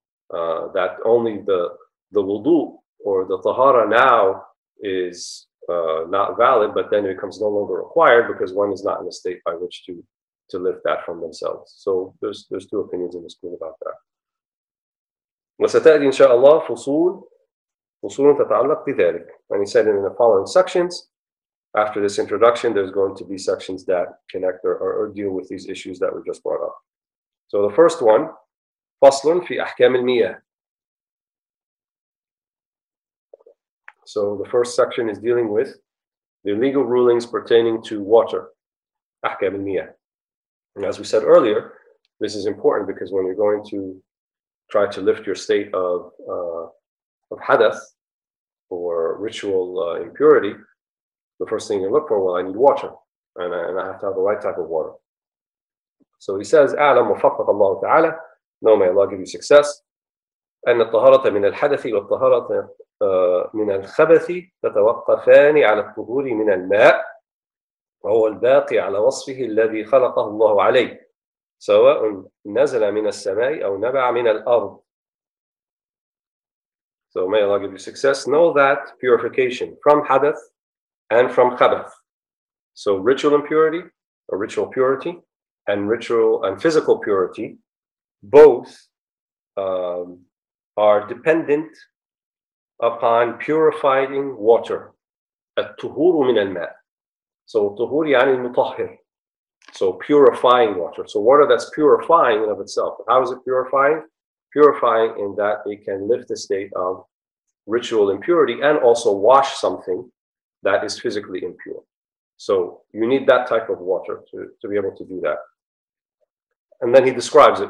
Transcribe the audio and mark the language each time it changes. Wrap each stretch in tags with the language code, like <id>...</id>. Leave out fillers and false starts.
<en>That only the wudu or the tahara now is not valid, but then it becomes no longer required because one is not in a state by which to lift that from themselves. So there's two opinions in the school about that.</en> <ar>وستأتي إن شاء الله فصول تتعلق بذلك.</ar> <en>And he said in the following sections, after this introduction, there's going to be sections that connect or deal with these issues that we just brought up. So the first one,</en> <ar>فصل في أحكام المياه.</ar> <en>So the first section is dealing with the legal rulings pertaining to water,</en> <ar>أحكام المياه.</ar> <en>And as we said earlier, this is important because when you're going to try to lift your state of hadath or ritual impurity, the first thing you look for, well, I need water, and I have to have the right type of water. So he says,</en> <ar>أعلم وفقك الله تعالى,</ar> <en>know may Allah give you success,</en> <ar>أن الطهارة من الحدث والطهارة من الخبث تتوقفان على الطهور من الماء وهو الباقي على وصفه الذي خلقه الله عليه سواء نزل من السماء أو نبع من الأرض.</ar> <en>So may Allah give you success. Know that purification from hadath and from khabath. So ritual impurity, or ritual purity, and ritual and physical purity, both are dependent upon purifying water.</en> <ar>التهور من الماء. So التهور يعني المطهر.</ar> <en>So purifying water. So water that's purifying in of itself. How is it purifying? Purifying in that it can lift the state of ritual impurity and also wash something that is physically impure. So you need that type of water to be able to do that. And then he describes it.</en>